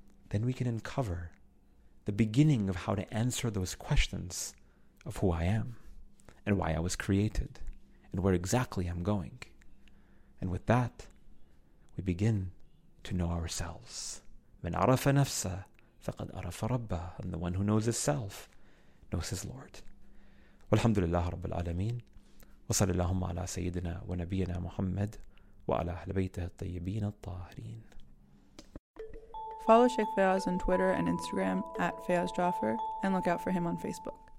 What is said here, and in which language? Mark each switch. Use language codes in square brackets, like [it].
[en] Then we can uncover the beginning of how to answer those questions of who I am and why I was created and where exactly I'm going. And with that, we begin to know ourselves. [ar] من عرف نفسه فقد عرف ربه. [en] And the one who knows his self knows his Lord. [ar] والحمد لله رب العالمين وصلى اللهم على سيدنا ونبينا محمد وعلى أهل بيته الطيبين الطاهرين. [en] Follow Sheikh Fayaz on Twitter and Instagram @FayazJaffer and look out for him on Facebook.